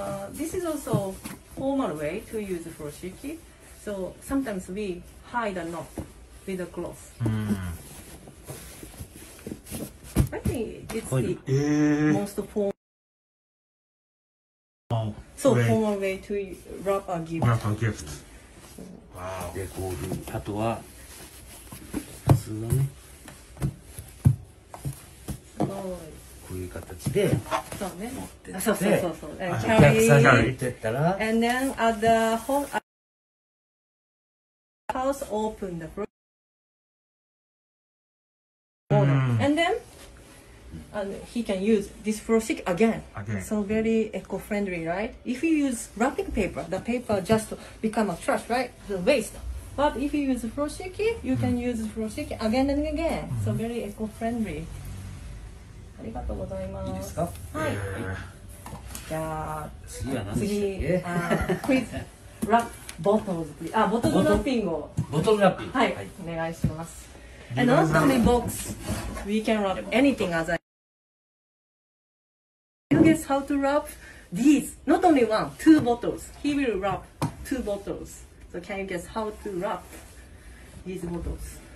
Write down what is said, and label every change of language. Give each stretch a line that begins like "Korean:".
English: This is also formal way to use furoshiki. So sometimes we hide a knot with a cloth. Mm. I think it's the most formal way to wrap a gift. Wrap a gift. Wow.
Japanese: でこういうあとは普通のね。そう。こういう形で持ってそうね。そう。
English: And then at the house open the floor.、And then he can use this furoshik again. So very eco-friendly, right? If you use wrapping paper, the paper just become a trash, right? The waste. But if you use furoshiki, you can use furoshiki again and again. So very eco-friendly.
Japanese: ありがとうございます。いいですか？はい。じゃあ、次は何でしたっけ？クイズ。ボトルズ。あ、ボトルラッピングを。ボトルラッピング。はい。お願いします。
English: And not only box, we can wrap anything as I... You guess how to wrap these? Not only one, two bottles. He will wrap two bottles. So can you guess how to wrap these bottles?